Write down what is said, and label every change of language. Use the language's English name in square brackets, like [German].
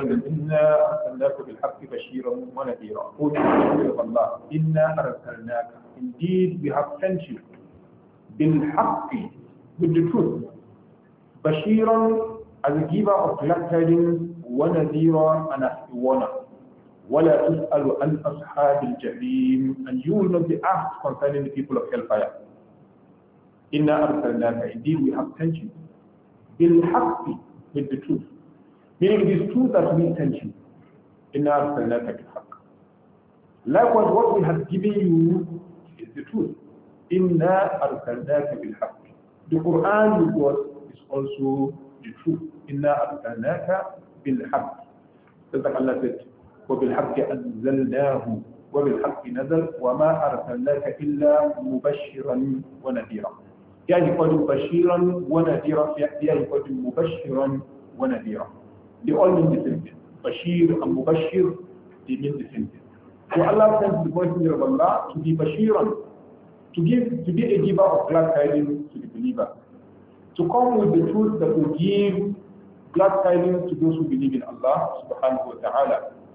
[Arabic] إنا أرسلناك بالحق بشيرا ونذيرا. قل بفضل الله إنا أرسلناك. [English] Indeed we have sent you [Arabic] بالحق, [English] with the truth, [Arabic] بشيرا [English] as a giver of glad tidings, [Arabic] ونذيرا [English] and as a warner. [Arabic] ولا تسأل عن أصحاب الجحيم, [English] and you will not be asked concerning the people of hellfire. [Arabic] إنا أرسلناك. [English] Indeed we have sent you [Arabic] بالحق, [English] with the truth. Meaning it is true that we sent you. [Arabic] إِنَّا أَرْسَلْنَاكَ بِالْحَقِّ. [English] Likewise, what we have given you is the truth. [Arabic] إِنَّا أَرْسَلْنَاكَ بِالْحَقِّ. [English] The Quran you got is also the truth. [Arabic] إِنَّا أَرْسَلْنَاكَ بِالْحَقِّ. صدق الله [English] said, [Arabic] وَبِالْحَقِّ أَنزَلْنَاهُ وَبِالْحَقِّ نَزَلْ وَمَا أَرْسَلْنَاكَ إِلَّا مُبَشِّرًا وَنَذِيرًا. يعني قد مبشرًا ونذيرًا, يعني قد مبشرًا ونذيرًا. [English] They all mean the same thing. Bashir and Mubashir, they mean the same thing. So Allah sent the Messenger of Allah to be Bashiran, to be a giver of glad tidings to the believer, to come with the truth that will give glad tidings to those who believe in Allah subhanahu wa ta'ala.